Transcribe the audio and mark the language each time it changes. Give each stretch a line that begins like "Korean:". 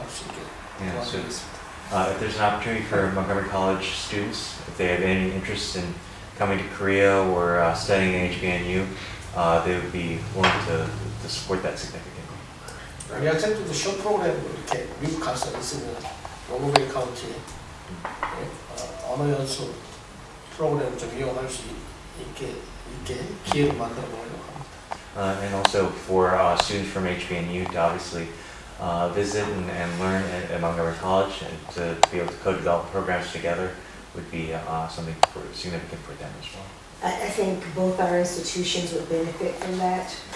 English: If there's an opportunity for Montgomery College students, if they have any interest in coming to Korea or studying at HBNU, they would be willing to support that significantly.
Korean: 우리 학생들도 쇼 프로그램으로 이렇게 미국 가서 있으면 모금리 카운티 언어 연수 프로그램 좀 이용할 수 있게 기회를 만들어 보려고 합니다.
English: And also for students from HBNU to obviously visit and learn at Montgomery College and to be able to co-develop programs together would be something for significant for them as well. I think both our institutions would benefit from that.